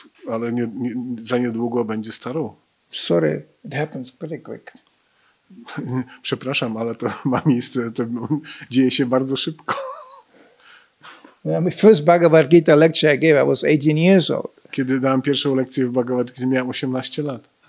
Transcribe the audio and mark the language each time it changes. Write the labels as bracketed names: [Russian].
[Polish] Ale nie, za niedługo będzie starą. [English] Sorry, it happens pretty quick. [Polish] Przepraszam, ale to ma miejsce, to dzieje się bardzo szybko. [English] My first Bhagavad Gita lecture I gave, I was 18 years old. [Polish] Kiedy dałem pierwszą lekcję w Bhagavad Gita, miałem 18 lat.